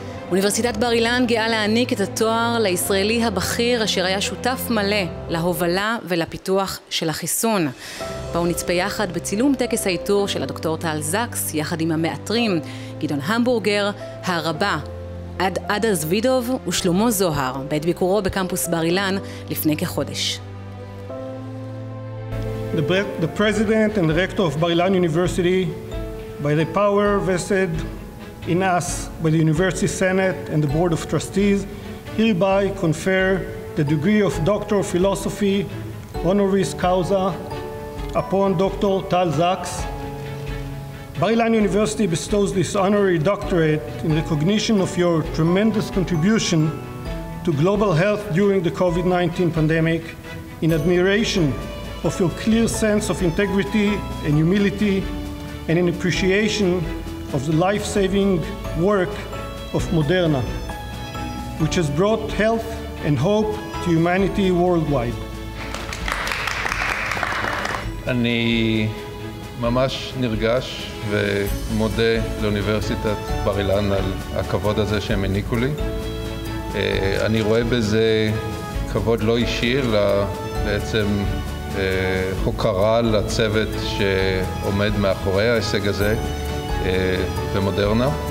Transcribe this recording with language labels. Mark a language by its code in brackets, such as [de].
[he] אוניברסיטת בר אילן גאה להעניק את התואר לישראלי הבכיר אשר היה שותף מלא להובלה ולפיתוח של החיסון. בו הוא נצפה יחד בצילום טקס האיתור של הדוקטור טל זקס, יחד עם המאתרים גדעון המבורגר, הרבה עדה זבידוב ושלמה זוהר, בעת ביקורו בקמפוס בר אילן לפני כחודש. [en] The president and the rector of Bar Ilan University, by the power vested in us by the University Senate and the Board of Trustees, hereby confer the degree of Doctor of Philosophy, honoris causa, upon Dr. Tal Zaks. Bar-Ilan University bestows this honorary doctorate in recognition of your tremendous contribution to global health during the COVID-19 pandemic, in admiration of your clear sense of integrity and humility, and in appreciation of the life-saving work of Moderna, which has brought health and hope to humanity worldwide. [he] אני ממש נרגש ומודה לאוניברסיטת בר אילן על הכבוד הזה שהם העניקו לי. אני רואה בזה כבוד לא אישי, אלא בעצם הוקרה לצוות שעומד מאחורי ההישג הזה במודרנה.